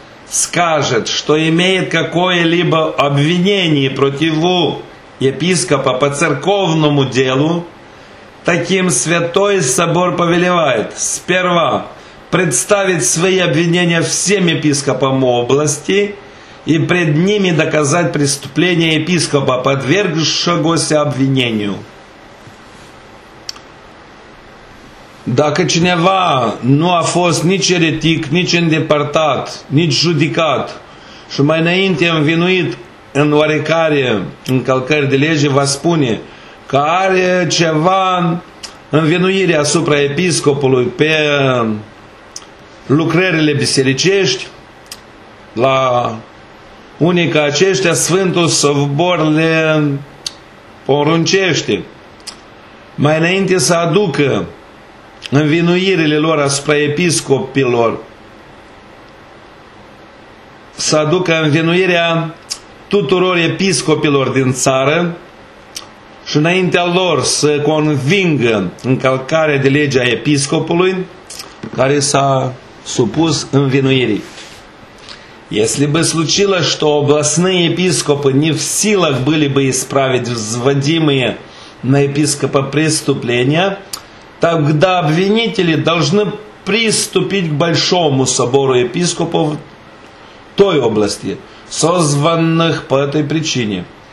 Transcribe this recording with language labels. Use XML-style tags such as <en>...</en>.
<ru>скажет, что имеет какое-либо обвинение против епископа по церковному делу, таким святой собор повелевает сперва представить свои обвинения всем епископам области и пред ними доказать преступление епископа, подвергшегося обвинению.</ru> <ro>Dacă cineva nu a fost nici eretic, nici îndepărtat, nici judicat și mai înainte învinuit în oarecare încălcări de lege, va spune că are ceva învinuire asupra episcopului pe lucrările bisericești, la unii ca aceștia, Sfântul Sobor le poruncește mai înainte să aducă învinuirile lor asupra episcopilor, să aducă învinuirea tuturor episcopilor din țară și înaintea lor să convingă încălcarea de lege a episcopului care s-a supus învinuirii.</ro> <ru>Если бы случилось, что областные епископы не в силах были бы исправить взводимые на епископа преступления, тогда обвинители должны приступить к Большому собору епископов той области, созванных по этой причине.</ru>